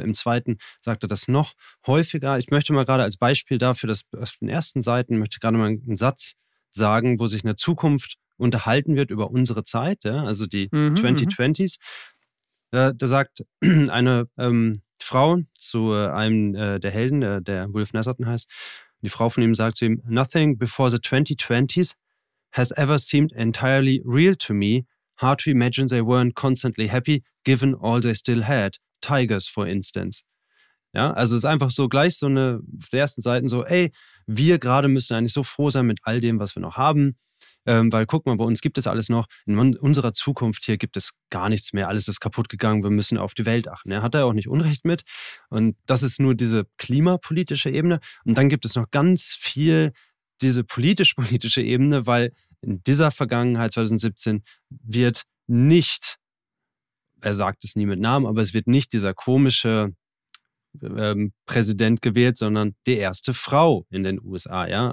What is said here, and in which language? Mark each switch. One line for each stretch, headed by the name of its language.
German: Im zweiten sagt er das noch häufiger. Ich möchte mal gerade als Beispiel dafür, dass auf den ersten Seiten möchte ich gerade mal einen Satz sagen, wo sich in der Zukunft unterhalten wird über unsere Zeit, ja, also die 2020s. Da sagt eine Frau zu einem der Helden, der Wolf Nesserton heißt, die Frau von ihm sagt zu ihm,
English: "Nothing before the 2020s has ever seemed entirely real to me. Hard to imagine they weren't constantly happy, given all they still had. Tigers, for instance."
German: Ja, also es ist einfach so gleich so eine, auf der ersten Seite so, ey, wir gerade müssen eigentlich so froh sein mit all dem, was wir noch haben. Weil guck mal, bei uns gibt es alles noch, in unserer Zukunft hier gibt es gar nichts mehr, alles ist kaputt gegangen, wir müssen auf die Welt achten. Er hat da auch nicht Unrecht mit und das ist nur diese klimapolitische Ebene und dann gibt es noch ganz viel diese politisch-politische Ebene, weil in dieser Vergangenheit 2017 wird nicht, er sagt es nie mit Namen, aber es wird nicht dieser komische Präsident gewählt, sondern die erste Frau in den USA, ja.